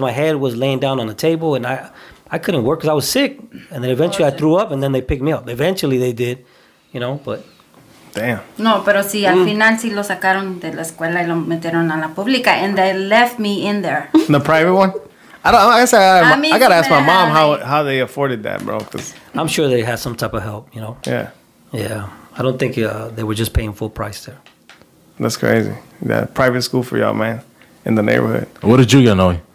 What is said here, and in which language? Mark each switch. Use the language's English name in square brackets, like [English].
[English] My head was laying down on the table and I couldn't work because I was sick. And then eventually I threw up and then they picked me up. Eventually they did, you know, but... Damn. [Spanish] No, pero sí, al final sí lo sacaron de la escuela y lo metieron a la pública. [English] And they left me in there. The private one? I gotta ask my mom how they afforded that, bro. I'm sure they had some type of help, you know? Yeah. Yeah. I don't think they were just paying full price there. That's crazy. Yeah, private school for y'all, man. In the neighborhood. What did you get, Noy?